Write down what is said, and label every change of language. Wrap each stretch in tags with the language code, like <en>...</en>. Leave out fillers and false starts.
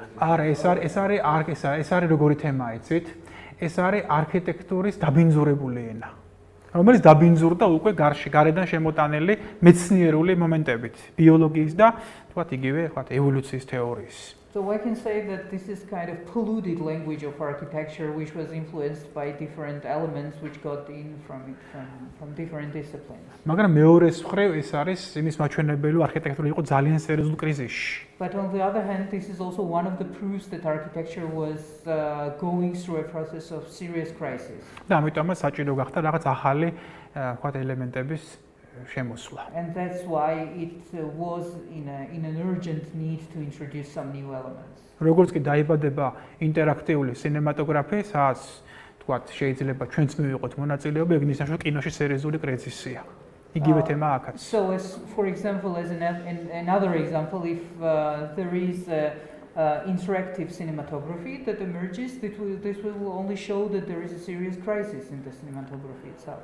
<ka>არა ეს არის როგორი თემა იცით? ეს არის არქიტექტურის დაბინძურებული ენა. რომელიც დაბინძურდა უკვე გარედან შემოტანილი მეცნიერული მომენტებით, ბიოლოგიის და თქვათ იგივე, თქვათ ევოლუციის თეორიის.</ka> <en>So I can say that this is kind of polluted language of architecture, which was influenced by different elements which got in from different disciplines.</en> <ka>მაგრამ მეორე მხრივ ეს არის იმის მაჩვენებელი, არქიტექტურა იყო ძალიან სერიოზულ კრიზისში.</ka> <en>But on the other hand, this is also one of the proofs that architecture was going through a process of serious crisis.</en> <ka>და ამიტომაც საჭირო გახდა რაღაც ახალი, ვთქვათ, ელემენტების შემოსვლა.</ka> <en>And that's why it was in an urgent need to introduce some new elements.</en> <ka>როგორც კი დაიბადება ინტერაქტიული კინემატოგრაფია, სადაც თქვათ შეიძლება ჩვენც მივიღოთ მონაწილეობა, ეგ ნიშნავს, რომ კინოში სერიოზული კრიზისია. იგივე თემა აქაც.</ka> <en>So as for example as another example if there is interactive cinematography that emerges this will only show that there is a serious crisis in the cinematography itself.</en>